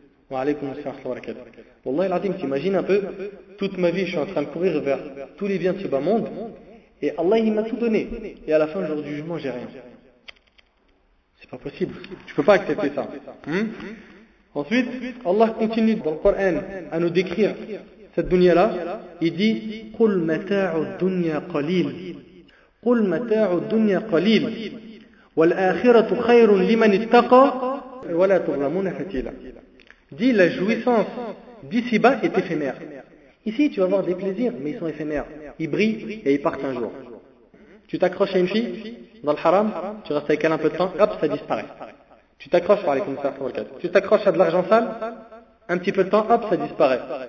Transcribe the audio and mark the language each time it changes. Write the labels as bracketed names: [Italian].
[French] Wa alaykoum assalam wa rahmatoullah. Wallahi al-Azim, t'imagines un peu, toute ma vie, je suis en train de courir vers tous les biens de ce bas monde et Allah, il m'a tout donné. Et à la fin, le jour du jugement, j'ai rien. C'est pas possible. Tu peux pas accepter ça. Ensuite, Allah continue dans le Coran à nous décrire cette dunya-là. Il dit [Arabic] « Qul mata'u dunya qalil » قل متاع الدنيا قليل والآخرة خير لمن اتقى ولا تظلمون فتيلا. [French] Dit la jouissance d'ici-bas est éphémère. Ici tu vas avoir des plaisirs mais ils sont éphémères. Ils brillent et ils partent un jour. Tu t'accroches à une fille dans le haram, tu restes avec elle un peu de temps, hop, ça disparaît. Tu t'accroches, parlez comme ça, tu t'accroches à de l'argent sale, un petit peu de temps, hop, ça disparaît.